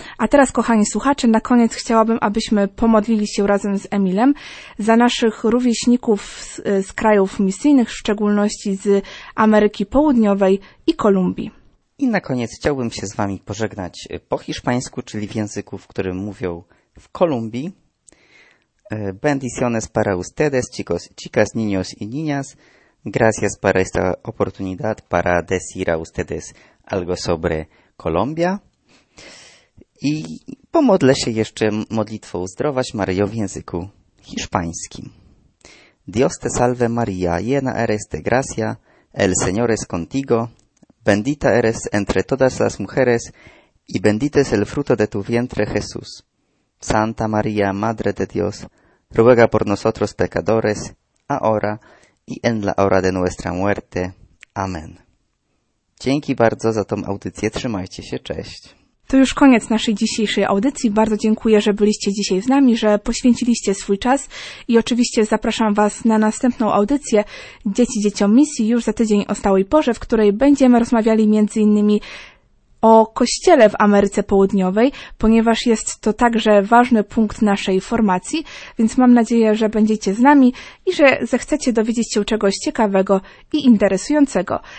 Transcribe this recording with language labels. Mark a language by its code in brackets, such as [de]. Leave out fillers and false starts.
[pl] A teraz, kochani słuchacze, na koniec chciałabym, abyśmy pomodlili się razem z Emilem za naszych rówieśników z krajów misyjnych, w szczególności z Ameryki Południowej i Kolumbii. I na koniec chciałbym się z wami pożegnać po hiszpańsku, czyli w języku, w którym mówią w Kolumbii. [es] Bendiciones para ustedes, chicos, chicas, niños y niñas. Gracias para esta oportunidad para decir a ustedes algo sobre Colombia. [pl] I pomodlę się jeszcze modlitwą Zdrowaś Maryjo w języku hiszpańskim. [es] Dios te salve María, llena eres de gracia, el Señor es contigo, bendita eres entre todas las mujeres y bendito es el fruto de tu vientre, Jesús. Santa María, Madre de Dios, ruega por nosotros pecadores, ahora i en la hora de nuestra muerte. Amen. [pl] Dzięki bardzo za tą audycję. Trzymajcie się. Cześć. To już koniec naszej dzisiejszej audycji. Bardzo dziękuję, że byliście dzisiaj z nami, że poświęciliście swój czas i oczywiście zapraszam Was na następną audycję Dzieci Dzieciom Misji już za tydzień o stałej porze, w której będziemy rozmawiali między innymi o kościele w Ameryce Południowej, ponieważ jest to także ważny punkt naszej formacji, więc mam nadzieję, że będziecie z nami i że zechcecie dowiedzieć się czegoś ciekawego i interesującego.